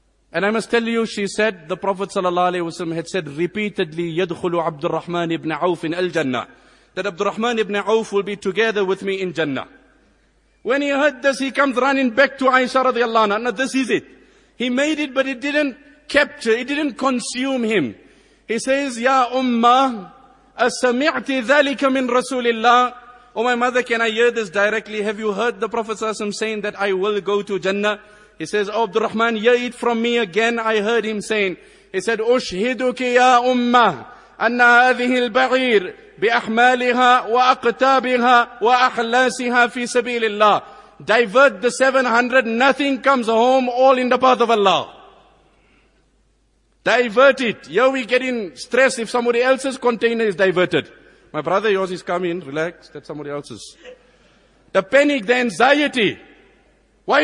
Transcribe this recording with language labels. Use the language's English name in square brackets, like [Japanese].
[English] And I must tell you, she said, the Prophet sallallahu alaihi wasallam had said repeatedly, يَدْخُلُ عَبْدُ الرَّحْمَنِ ibn Auf in al-Jannah. That Abdurrahman ibn Auf will be together with me in Jannah. When he heard this, he comes running back to Aisha radiallahu anha. Now this is it. He made it, but it didn't capture, it didn't consume him. He says, [Arabic] يَا أُمَّا أَسَمِعْتِ ذَلِكَ مِنْ رَسُولِ اللَّهِ. [English] Oh my mother, can I hear this directly? Have you heard the Prophet sallallahu alaihi wasallam saying that I will go to Jannah? He says, oh, Abdurrahman, hear it from me again. I heard him saying, he said, [Arabic] أُشْهِدُكِ يَا أُمَّةِ أَنَّ هَذِهِ الْبَعِيرِ بِأَحْمَالِهَا وَأَقْتَابِهَا وَأَحْلَاسِهَا فِي سَبِيلِ اللَّهِ. [English] Divert the 700, nothing comes home, all in the path of Allah. Divert it. Here we get in stress if somebody else's container is diverted. My brother, yours is coming, relax, that's somebody else's. The panic, the anxiety. Why?